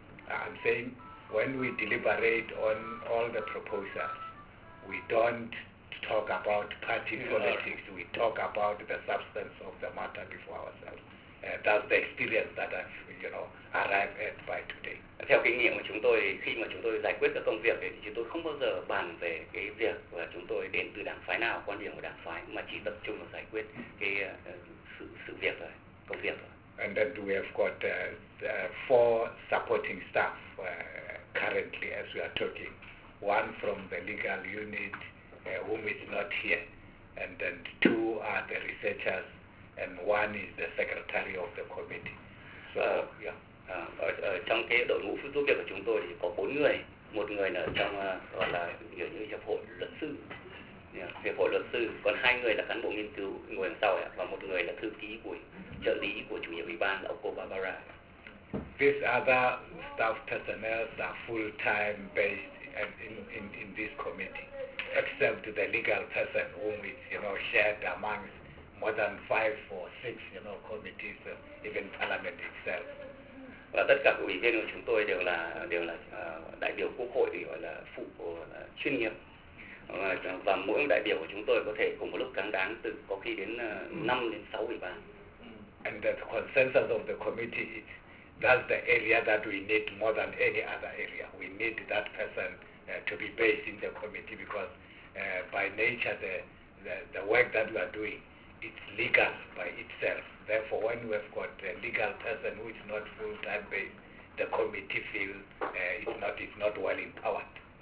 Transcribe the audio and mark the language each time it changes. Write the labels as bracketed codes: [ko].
[en] I'm saying when we deliberate on all the proposals, we don't talk about party politics. We talk about the substance of the matter before ourselves. That's the experience that I've, you know, arrived at by today. [vi] Theo kinh nghiệm của chúng tôi, khi mà chúng tôi giải quyết các công việc thì chúng tôi không bao giờ bàn về cái việc và chúng tôi đến từ đảng phái nào, quan điểm của đảng phái, mà chỉ tập trung vào giải quyết cái sự việc rồi, công việc rồi. [en] And then we have got 4 supporting staff currently as we are talking. One from the legal unit, whom is not here, and then 2 are the researchers. And one is the secretary of the committee. So, [vi] trong cái đội ngũ phụ giúp việc của chúng tôi thì có 4 người. Một người là trong gọi là kiểu như hiệp hội luật sư, hiệp hội luật sư. Còn 2 người là cán bộ nghiên cứu ngồi đằng sau ấy, và một người là thư ký của trợ lý của chủ nhiệm ủy ban là cô Barbara. [en] These other staff personnel are full time based in this committee, except the legal person whom is, you know, shared amongst more than five or six, you know, committees, even parliament itself. [vi] Và tất cả các ủy viên của chúng tôi đều là đại biểu quốc hội, thì gọi là phụ là chuyên nghiệp. Và mỗi đại biểu của chúng tôi có thể cùng một lúc cán đáng từ có khi đến 5 đến 6 ủy ban. [en] And the consensus of the committee, that's the area that we need more than any other area. We need that person to be based in the committee because by nature the work that we are doing, it's legal by itself. Therefore, when we have got a legal person who is not full-time based, the committee feels it's not well empowered.